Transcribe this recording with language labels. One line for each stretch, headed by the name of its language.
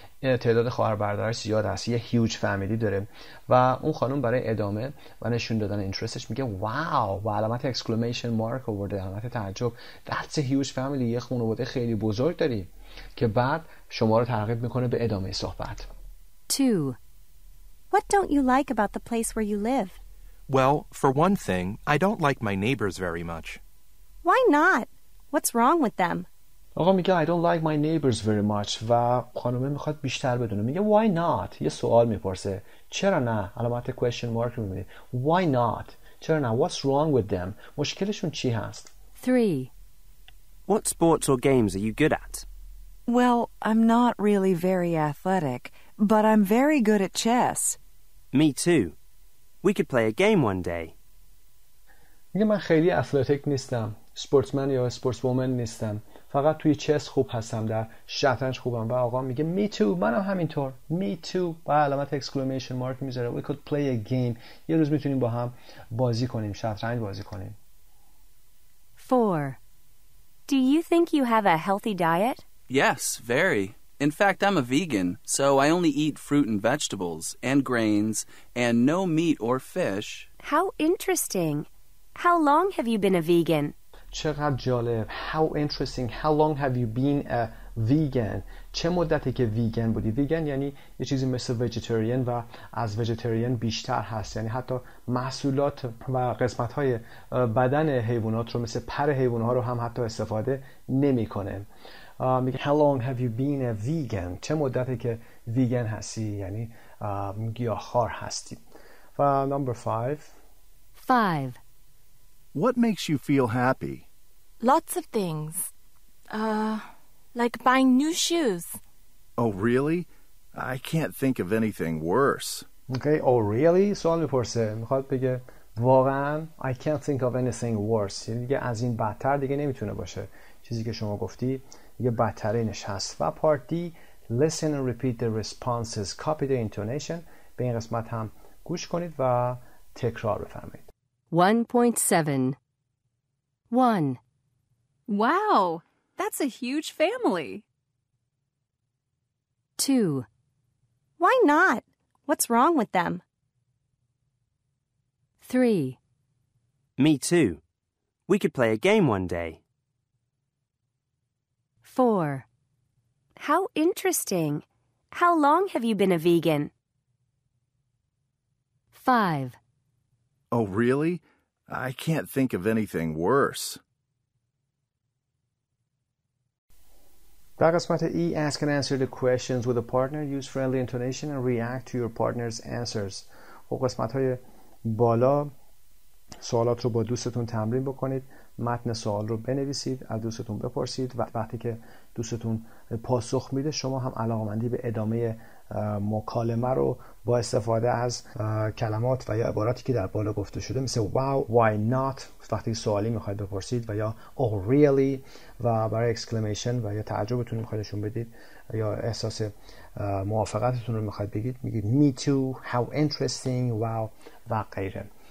Persian: تعداد خواهر برادرش زیاد است. یه
English: huge family
Persian: داره. و اون خانم برای ادامه و نشون دادن اینترستش میگه
English: wow
Persian: و علامت
English: exclamation mark
Persian: آورده، علامت تعجب.
English: That's a huge family.
Persian: یه خانواده خیلی بزرگ داری. که بعد شما رو ترغیب میکنه به ادامه صحبت.
English: 2. What don't you like about the place where you live? Well, for one thing, I don't like my neighbors very much. Why not? What's wrong with them?
Persian: آقا میگه
English: I don't like my neighbors very much
Persian: و خانومه میخواد بیشتر بدونه. میگه
English: why not؟
Persian: یه سوال میپرسه. چرا نه؟ علامت question mark رو میده.
English: Why not؟
Persian: چرا نه؟
English: What's wrong with them؟
Persian: مشکلشون چی هست؟
English: 3. What sports or games are you good at? Well, I'm not really very athletic, but I'm very good at chess. Me too. We could play a game one day.
Persian: میگه من خیلی اتلتیک نیستم، سپورتمن یا سپورتوومن نیستم، فقط توی چس خوب هستم، در شطرنج خوبم. و آقا میگه می تو، منم همینطور. می تو با علامت اکسکلمیشن مارک میذاره.
English: We could play a game.
Persian: یه روز میتونیم با هم بازی کنیم، شطرنج بازی کنیم.
English: 4. Do you think you have a healthy diet? Yes, very. In fact, I'm a vegan, so I only eat fruit and vegetables and grains and no meat or fish. How interesting. How long have you been a vegan?
Persian: چقدر جالب.
English: How interesting. How long have you been a vegan?
Persian: چه مدتی که ویگن بودی؟ ویگن یعنی یه چیزی مثل ویجیتریان و از ویجیتریان بیشتر هست، یعنی حتی محصولات و قسمت‌های بدن حیوانات رو مثل پر حیوانات رو هم حتی استفاده نمی‌کنه. میگه
English: how long have you been a vegan؟
Persian: چه مدتی که ویگن هستی، یعنی گیاهخوار هستی. و نمبر
English: 5. What makes you feel happy? Lots of things. Like buying new shoes. Oh really? I can't think of anything worse. Okay, oh really?
Persian: سوال میپرسه، میخواد بگه واقعا؟
English: I can't think of anything worse.
Persian: دیگه از این بدتر دیگه نمیتونه باشه. چیزی که شما گفتی یه بدترینش هست. و
English: part D, listen and repeat the responses. Copy the intonation.
Persian: به این قسمت هم گوش کنید و تکرار بفرمایید.
English: 1.7 1. Wow, that's a huge family. 2. Why not? What's wrong with them? 3. Me too. We could play a game one day. 4. How interesting. How long have you been a vegan? 5. Oh, really? I can't think of anything worse.
Persian: در قسمت
English: E Ask and Answer the Questions with a Partner Use Friendly Intonation and React to Your Partner's Answers
Persian: و قسمت های بالا سوالات رو با دوستتون تمرین بکنید متن سوال رو بنویسید از دوستتون بپرسید و وقتی که دوستتون پاسخ میده شما هم علاقمندی به ادامه مکالمه رو با استفاده از کلمات و یا عباراتی که در بالا گفته شده مثل
English: wow, why not
Persian: وقتی سوالی میخواید بپرسید و یا
English: oh really
Persian: و برای
English: exclamation
Persian: و یا تعجبتون میخوایدشون بدید یا احساس موافقتتون رو میخواید بگید میگید
English: me too, how interesting, wow
Persian: و غیره.